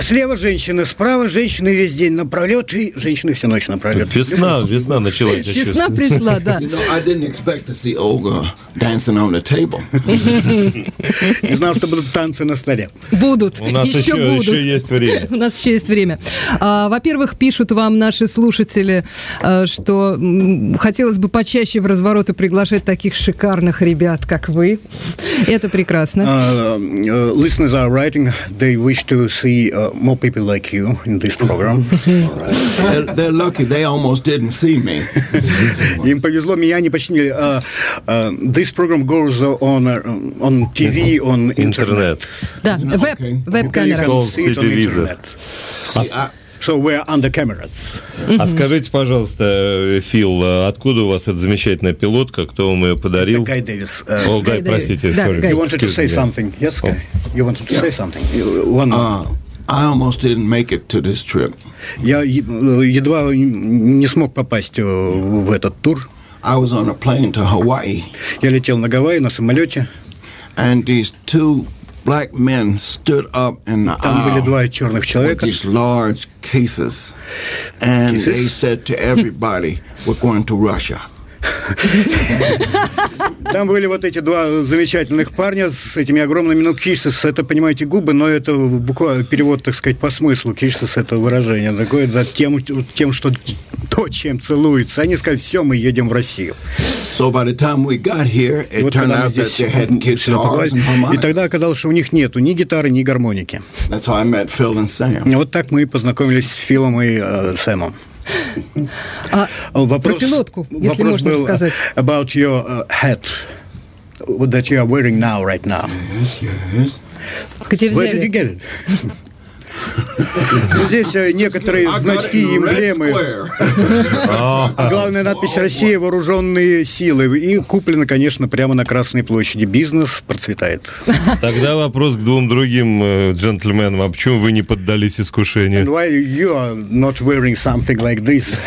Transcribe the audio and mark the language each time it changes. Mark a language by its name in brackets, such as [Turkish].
[Russian] Слева женщины, справа женщины весь день напролет, и женщины всю ночь напролет. Весна началась. Весна пришла, да. [English] You know, I didn't expect to see Olga dancing on the table. [Russian] Не знал, что будут танцы на столе. Будут, еще будут. У нас еще есть время. У нас еще есть время. Во-первых, пишут вам наши слушатели, что хотелось бы почаще в развороты приглашать таких шикарных ребят, как вы. Это прекрасно. [English] Listeners are writing, they wish to see more people like you in this program. Right. They're lucky they almost didn't see me. [Russian] Им повезло, меня не почти. [English] This program goes on TV, on internet. [Russian] Да, веб, веб-камера. [English] So we're under cameras. [Russian] А скажите, пожалуйста, Фил, откуда у вас эта замечательная пилотка? Кто вам ее подарил? Гай Дэвис. О, Гай, простите. [English] You wanted to say something. Yes, Гай? You wanted to say something. I almost didn't make it to this trip. [Russian] Я едва не смог попасть в этот тур. [English] I was on a plane to Hawaii. [Russian] Я летел на Гавайи на самолете. [English] And these two black men stood up in the [Russian] там [English] aisle [Russian] были два черных человека. [English] With these large cases. And cases? They said to everybody, we're going to Russia. [Russian] Там были вот эти два замечательных парня с этими огромными, ну, кишсес, это, понимаете, губы, но это буквально перевод, так сказать, по смыслу, кишсес, это выражение такое, да, тем, что то, чем целуются. Они сказали, все, мы едем в Россию. [English] So by the time we got here, it вот turned out that they hadn't guitars and harmonics. [Russian] И тогда оказалось, что у них нету ни гитары, ни гармоники. [English] That's how I met Phil and Sam. [Russian] Вот так мы и познакомились с Филом и Сэмом. Вопрос, про пилотку, если можно был сказать. [English] About your hat that you are wearing now, right now. Yes, yes. [Russian] Где взяли? [English] Where did you get it? [Russian] Здесь некоторые значки и эмблемы. Главная надпись «Россия. Вооруженные силы». И куплено, конечно, прямо на Красной площади. Бизнес процветает. Тогда вопрос к двум другим джентльменам. А почему вы не поддались искушению? [English] And why you are not wearing something like this?